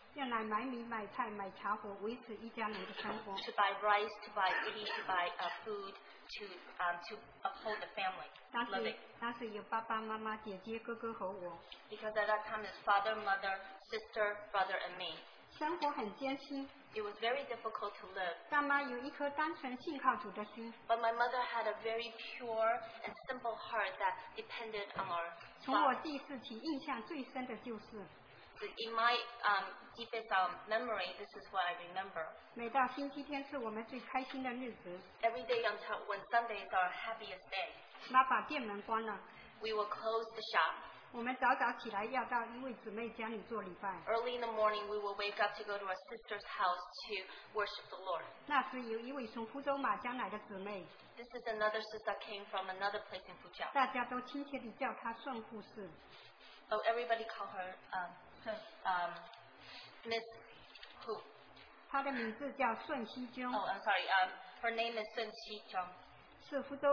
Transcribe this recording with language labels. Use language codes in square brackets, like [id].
[zh] 用来买米买菜买茶火维持一家人的生活. [en] To buy rice, to buy meat, to buy food, to uphold the family. [zh] 当时有爸爸妈妈姐姐哥哥和我. [en] Because at that time it's father, mother, sister, brother and me. [zh] 生活很艰辛. [en] It was very difficult to live. [zh] 但妈有一颗单纯信靠主的心. [en] But my mother had a very pure and simple heart that depended on our father. [zh] 从我记事起印象最深的就是, [en] in my deepest memory, this is what I remember. [zh] 每到星期天是我们最开心的日子. [en] Every day when Sunday is our happiest day. [zh] 妈把店门关了. [en] We will close the shop. [zh] 我们早早起来要到一位姊妹家里做礼拜. [en] Early in the morning, we will wake up to go to our sister's house to worship the Lord. [zh] 那时有一位从福州马江来的姊妹. [en] This is another sister came from another place in Fuzhou. [zh] 大家都亲切地叫她宋护士. [en] So everybody called her Miss Hu. [zh] 她的名字叫孙熙娟. [en] Oh, I'm sorry. Her name is 孙熙娟.